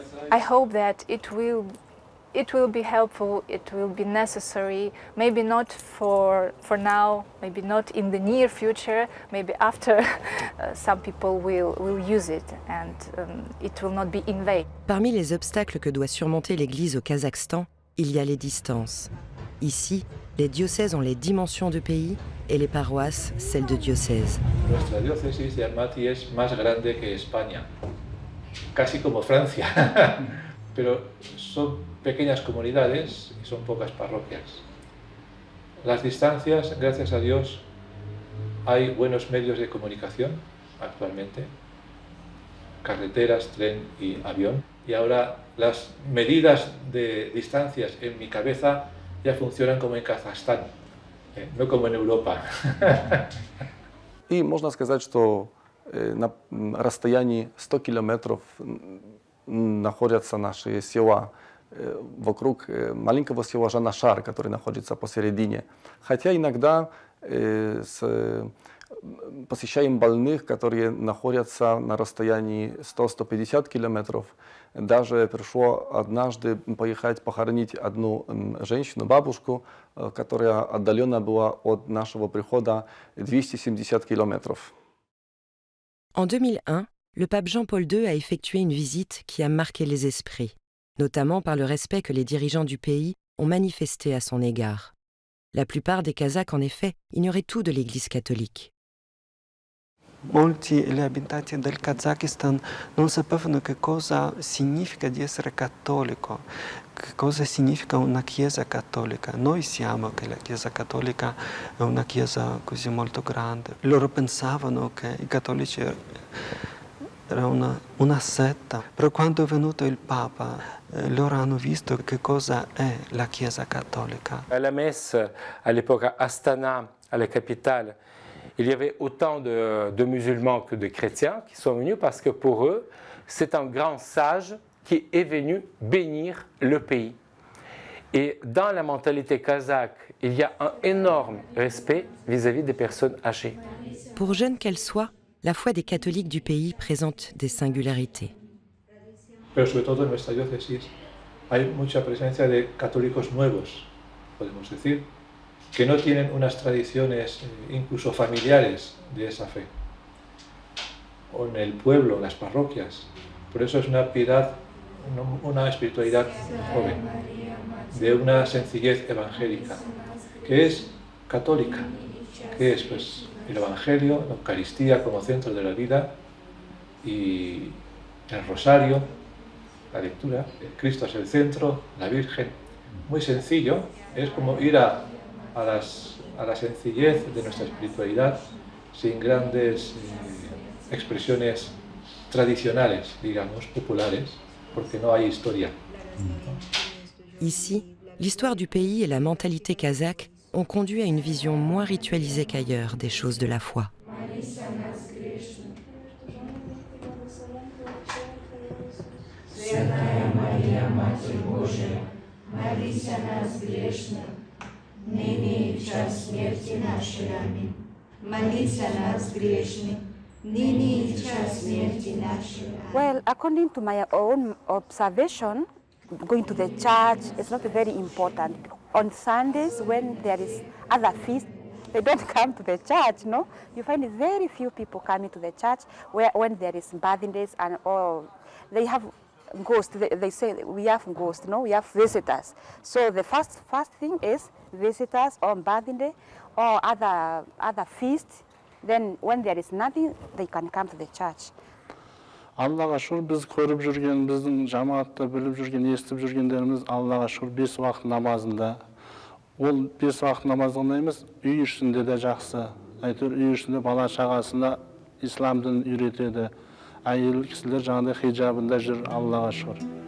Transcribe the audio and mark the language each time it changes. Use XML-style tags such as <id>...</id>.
<en>I hope that it will be helpful, it will be necessary, maybe not for now, maybe not in the near future, maybe after some people will use it and it will not be in vain.</en> <fr>Parmi les obstacles que doit surmonter l'Église au Kazakhstan, il y a les distances. Ici, les diocèses ont les dimensions du pays et les paroisses, celles de diocèses.</fr> <es>Nuestra diócesis de Almaty es más grande que España, casi como Francia. Pero son pequeñas comunidades y son pocas parroquias. Las distancias, gracias a Dios, hay buenos medios de comunicación actualmente, carreteras, tren y avión. y ahora las medidas de distancias en mi cabeza ya funcionan como en Kazajstán, no como en Europa.</es> <ru>Y можно сказать, что на расстоянии 100 километров находятся наши села. Вокруг маленького села Жанашар, который находится посередине. Хотя иногда посещаем больных, которые находятся на расстоянии 100-150 километров. Даже пришло однажды поехать похоронить одну женщину, бабушку, которая отдалена была от нашего прихода 270 километров.</ru> <fr>En 2001, le pape Jean-Paul II a effectué une visite qui a marqué les esprits, notamment par le respect que les dirigeants du pays ont manifesté à son égard. La plupart des Kazakhs, en effet, ignoraient tout de l'Église catholique.</fr> <it>Molti gli abitanti del Kazakistan non sapevano che cosa significa di essere cattolico, che cosa significa una chiesa cattolica. Noi siamo che la chiesa cattolica è una chiesa così molto grande. Loro pensavano che i cattolici erano una setta. Però quando è venuto il Papa, loro hanno visto che cosa è la chiesa cattolica. Alla messa all'epoca Astana, alla capitale,</it> <fr>il y avait autant de musulmans que de chrétiens qui sont venus parce que pour eux, c'est un grand sage qui est venu bénir le pays. Et dans la mentalité kazakh, il y a un énorme respect vis-à-vis des personnes âgées. Pour jeune qu'elle soit, la foi des catholiques du pays présente des singularités.</fr> <es>Pero sobre todo en nuestra diócesis hay mucha presencia de católicos nuevos, podemos decir. Que no tienen unas tradiciones incluso familiares de esa fe, o en el pueblo, las parroquias. Por eso es una piedad, una espiritualidad joven, de una sencillez evangélica, que es católica, que es pues, el Evangelio, la Eucaristía como centro de la vida, y el Rosario, la lectura, el Cristo es el centro, la Virgen. Muy sencillo, es como ir a la sencillez de nuestra espiritualidad sin grandes expresiones tradicionales, digamos, populares, porque no hay historia.</es> <fr>Ici, l'histoire du pays et la mentalité kazakh ont conduit à une vision moins ritualisée qu'ailleurs des choses de la foi.</fr> <ru>Ныне и в час смерти нашей. Аминь. Молись о нас, грешных.</ru> <en>Well, according to my own observation, going to the church is not very important. On Sundays, when there is other feasts, they don't come to the church, no? You find very few people coming to the church when there is bathing days and all. They have ghosts. They say, we have ghosts, no? We have visitors. So the first thing is visitors on bathing day or other feasts. Then when there is nothing, they can come to the church.</en> <kk>Аллаға шүр, біз көріп жүрген, біздің жамаатта біліп жүрген, естіп жүргендеріміз Аллаға шүр, бес уақыт намазында. Ол бес уақыт намазында емес, үй ішінде де жақсы. Әйтеуір үй ішінде бала шағасына ислам дінін үйретеді. Әйел кісілер жаңағыдай хиджабында жүр, Аллаға шүр.</kk>